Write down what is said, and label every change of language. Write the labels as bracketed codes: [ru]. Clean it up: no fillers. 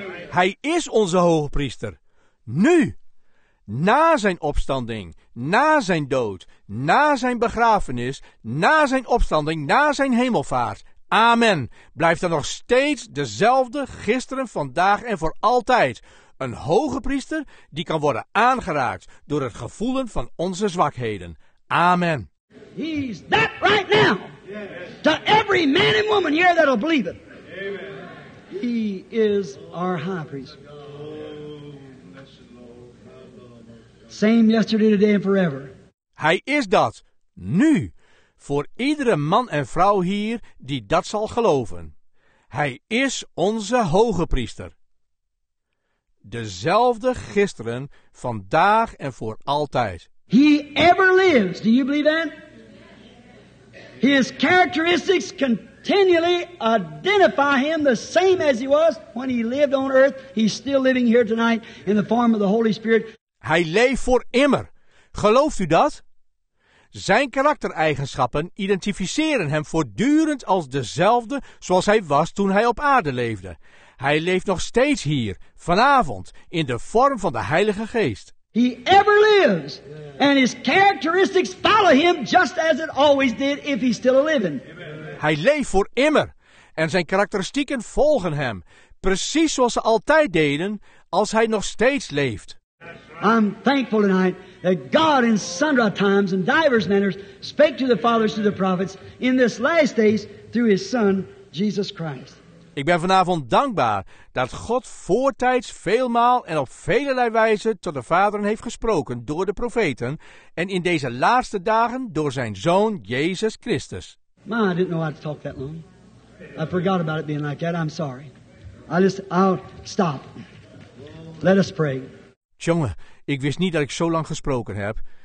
[nl] Hij is onze hoge priester. Nu, na zijn opstanding, na zijn dood, na zijn begrafenis, na zijn opstanding, na zijn hemelvaart. Amen. Blijft er nog steeds dezelfde gisteren, vandaag en voor altijd. Een hoge priester die kan worden aangeraakt door het gevoelen van onze zwakheden. Amen. [en] He's that right now. To every man and woman here that'll believe it. He is our high priest. Same yesterday, today and forever. [nl] Hij is dat, nu, voor iedere man en vrouw hier die dat zal geloven. Hij is onze hoge priester. Dezelfde gisteren, vandaag en voor altijd. [en] He ever lives. Do you believe that? His characteristics continually identify him the same as he was when he lived on earth. He's still living here tonight in the form of the Holy Spirit. [nl] Hij leeft voor immer. Gelooft u dat? Zijn karaktereigenschappen identificeren hem voortdurend als dezelfde zoals hij was toen hij op aarde leefde. Hij leeft nog steeds hier, vanavond, in de vorm van de Heilige Geest. [en] He ever lives. And his characteristics follow him just as it always did if he's still living. [nl] Hij leeft voor immer. En zijn karakteristieken volgen hem. Precies zoals ze altijd deden als hij nog steeds leeft. [en] I'm thankful tonight that God in sundry times and divers manners spake to the fathers through the prophets in this last days through his son Jesus Christ. [nl] Ik ben vanavond dankbaar dat God voortijds veelmaal en op velerlei wijze tot de vaderen heeft gesproken door de profeten en in deze laatste dagen door zijn zoon Jezus Christus. [en] Ma, I didn't know I'd talk that long. I forgot about it being like that. I'm sorry. I'll stop. Let us pray. [nl] Tjonge, ik wist niet dat ik zo lang gesproken heb.